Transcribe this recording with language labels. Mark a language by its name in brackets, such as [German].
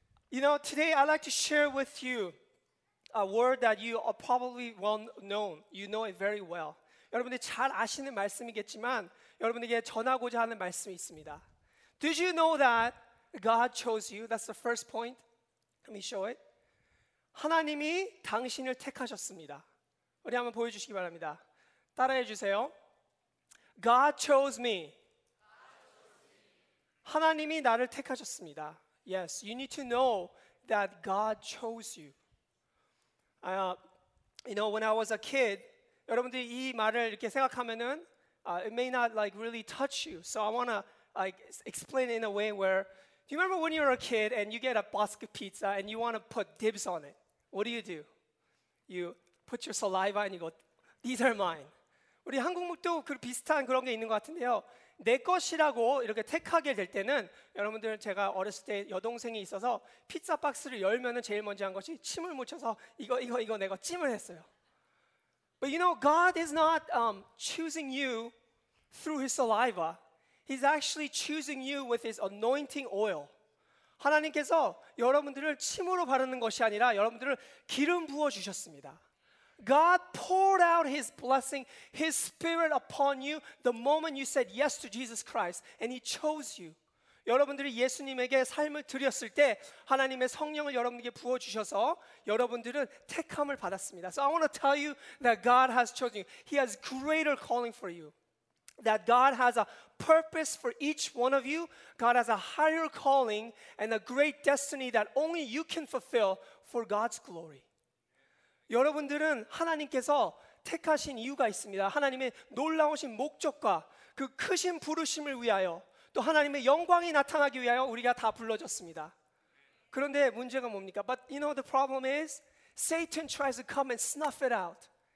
[English] You know, today I'd like to share with you a word that you are probably well known. You know it very well. [Korean] 여러분들 잘 아시는 말씀이겠지만 여러분에게 전하고자 하는 말씀이 있습니다. [English] Did you know that God chose you? That's the first point. Let me show it. [Korean] 하나님이 당신을 택하셨습니다. 우리 한번 보여주시기 바랍니다. 따라해 주세요. [English] God chose me. God chose me. Yes, you need to know that God chose you. You know, when I was a kid, [Korean] 여러분들이 이 말을 이렇게 생각하면은 [English] it may not like really touch you. So I want to like explain it in a way where, do you remember when you were a kid and you get a basket pizza and you want to put dibs on it? What do? You put your saliva and you go, these are mine. [Korean] 우리 한국도 그 비슷한 그런 게 있는 것 같은데요. 내 것이라고 이렇게 택하게 될 때는 여러분들 제가 어렸을 때 여동생이 있어서 피자 박스를 열면은 제일 먼저 한 것이 침을 묻혀서 이거 내가 찜을 했어요. [English] But you know, God is not choosing you through his saliva. He's actually choosing you with his anointing oil. [Korean] 하나님께서 여러분들을 침으로 바르는 것이 아니라 여러분들을 기름 부어주셨습니다. [English] God poured out His blessing, His Spirit upon you the moment you said yes to Jesus Christ, and He chose you. [Korean] 여러분들이 예수님에게 삶을 드렸을 때 하나님의 성령을 여러분에게 부어주셔서 여러분들은 택함을 받았습니다. [English] So I want to tell you that God has chosen you. He has greater calling for you. That God has a purpose for each one of you. God has a higher calling and a great destiny that only you can fulfill for God's glory. [Korean] 여러분들은 하나님께서 택하신 이유가 있습니다. 하나님의 놀라우신 목적과 그 크신 부르심을 위하여 또 하나님의 영광이 나타나기 위하여 우리가 다 불러졌습니다. 그런데 문제가 뭡니까? [English] But you know the problem is Satan tries to come and snuff it out.